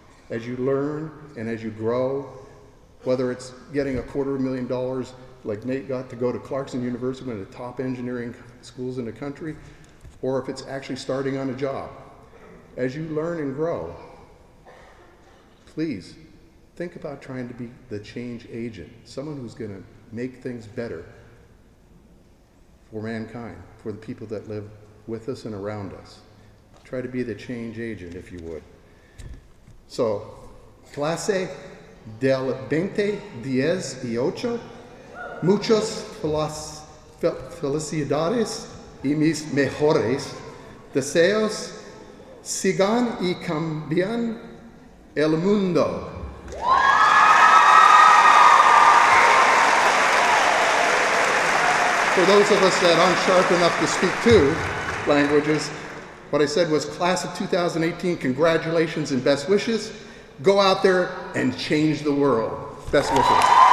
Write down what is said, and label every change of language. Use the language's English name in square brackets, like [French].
[English] As you learn and as you grow, whether it's getting $250,000 like Nate got to go to Clarkson University, one of the top engineering schools in the country, or if it's actually starting on a job, as you learn and grow, please think about trying to be the change agent, someone who's going to make things better for mankind, for the people that live with us and around us. Try to be the change agent, if you would. [Spanish] So, clase del 20, 10 y 8, muchas felicidades y mis mejores deseos, sigan y cambian el mundo. [English] For those of us that aren't sharp enough to speak two languages, what I said was class of 2018, congratulations and best wishes. Go out there and change the world. Best wishes.